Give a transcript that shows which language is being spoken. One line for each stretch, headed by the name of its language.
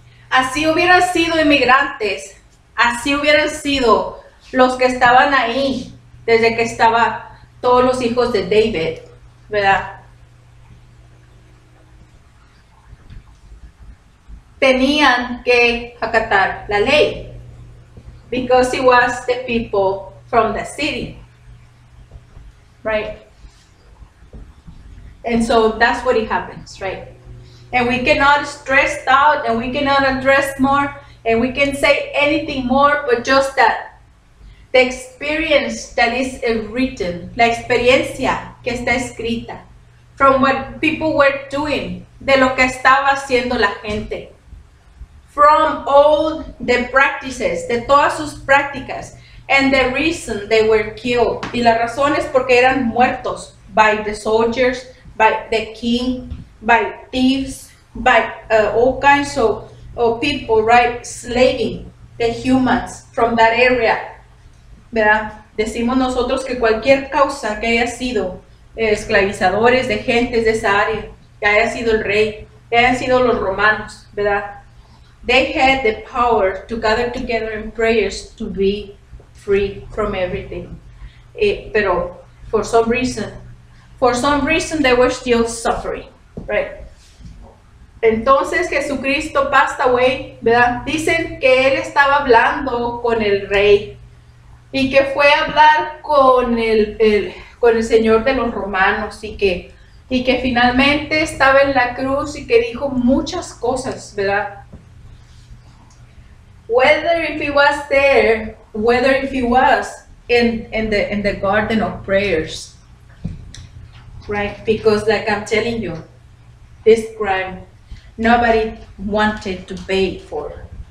Spanish: así hubieran sido inmigrantes, así hubieran sido los que estaban ahí desde que estaba todos los hijos de David, ¿verdad? Tenían que acatar la ley,
English: because it was the people from the city, right? And so that's what it happens, right? And we cannot stress out, and we cannot address more, and we can say anything more, but just that the experience that is written,
Spanish: la experiencia que está escrita,
English: from what people were doing,
Spanish: de lo que estaba haciendo la gente,
English: from all the practices,
Spanish: de todas sus prácticas,
English: and the reason they were killed,
Spanish: y las razones porque eran muertos,
English: by the soldiers, by the king, by thieves, by all kinds of people, right, slaving the humans from that area, ¿verdad?
Spanish: Decimos nosotros que cualquier causa que haya sido esclavizadores de gentes de esa área, que haya sido el rey, que hayan sido los romanos, ¿verdad?
English: They had the power to gather together in prayers to be free from everything. Pero for some reason they were still suffering, right?
Spanish: Entonces Jesucristo
English: passed away,
Spanish: ¿verdad? Dicen que él estaba hablando con el rey y que fue a hablar con el señor de los romanos y que finalmente estaba en la cruz y que dijo muchas cosas, ¿verdad?
English: Whether if he was there, whether if he was in the garden of prayers, right? Because like I'm telling you, this crime nobody wanted to pay for.